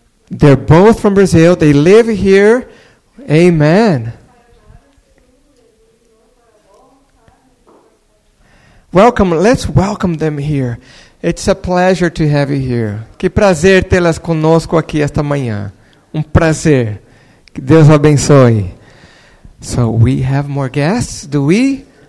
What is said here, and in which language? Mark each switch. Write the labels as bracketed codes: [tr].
[en] They're both from Brazil. They live here. Amen. Welcome, let's welcome them here. It's a pleasure to have you here. [pt] Que prazer tê-las conosco aqui esta manhã. Um prazer. Que Deus abençoe. [en] So we have more guests, do we?